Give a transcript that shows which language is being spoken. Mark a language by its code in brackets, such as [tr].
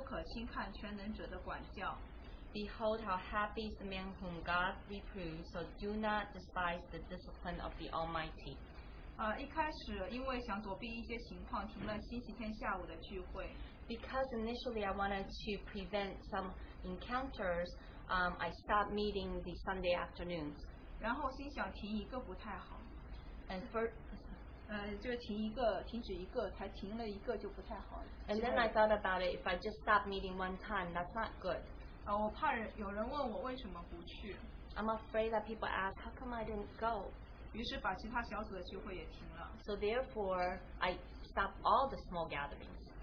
[zh] 这里说到神所惩治的人是有福的，所以你不可轻看全能者的管教。 [en] Behold how happy is the man whom God reproves, so do not despise the discipline of the Almighty. [zh] 一开始因为想躲避一些情况，停了星期天下午的聚会。 [en] Because initially I wanted to prevent some encounters, I stopped meeting the Sunday afternoons. [zh] 然后心想停一个不太好。 [en] And first, [zh] 就停一个，停止一个，才停了一个就不太好。 [en] And then I thought about it, if I just stop meeting one time, that's not good. [zh] 我怕有人问我为什么不去。 [en] I'm afraid that people ask, how come I didn't go? [zh] 于是把其他小组的聚会也停了。 [en] So therefore, I stopped all the small gatherings.